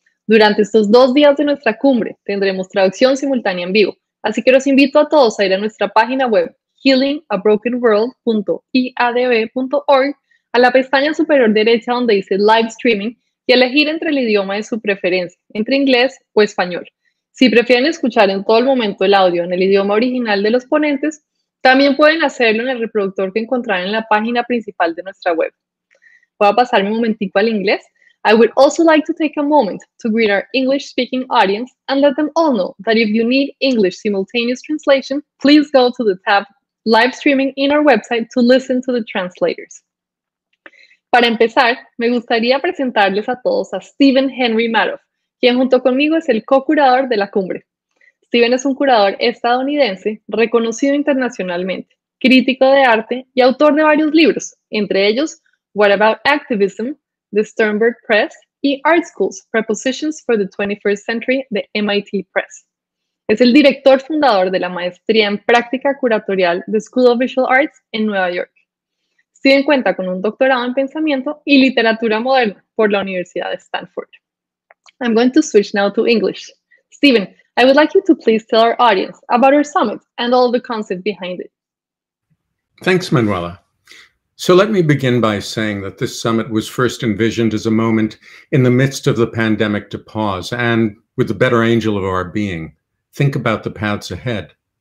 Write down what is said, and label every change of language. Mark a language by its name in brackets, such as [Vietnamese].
[Spanish] Durante estos 2 días de nuestra cumbre tendremos traducción simultánea en vivo, así que los invito a todos a ir a nuestra página web healingabrokenworld.iadb.org, a la pestaña superior derecha donde dice Live Streaming, y elegir entre el idioma de su preferencia, entre inglés o español. Si prefieren escuchar en todo el momento el audio en el idioma original de los ponentes, también pueden hacerlo en el reproductor que encontrarán en la página principal de nuestra web. Voy a pasarme un momentico al inglés. [English] I would also like to take a moment to greet our English-speaking audience and let them all know that if you need English simultaneous translation, please go to the tab Live Streaming in our website to listen to the translators. [Spanish] Para empezar, me gustaría presentarles a todos a Stephen Henry Madoff, quien junto conmigo es el co-curador de la cumbre. Stephen es un curador estadounidense reconocido internacionalmente, crítico de arte y autor de varios libros, entre ellos What About Activism, de Sternberg Press, y Art Schools, Prepositions for the 21st Century, de MIT Press. Es el director fundador de la maestría en práctica curatorial de School of Visual Arts en Nueva York. Stephen cuenta con un doctorado en pensamiento y literatura moderna por la Universidad de Stanford. [English] I'm going to switch now to English. Stephen, I would like you to please tell our audience about our summit and all the concepts behind it. Thanks, Manuela. So let me begin by saying that this summit was first envisioned as a moment in the midst of the pandemic to pause and, with the better angel of our being, think about the paths ahead.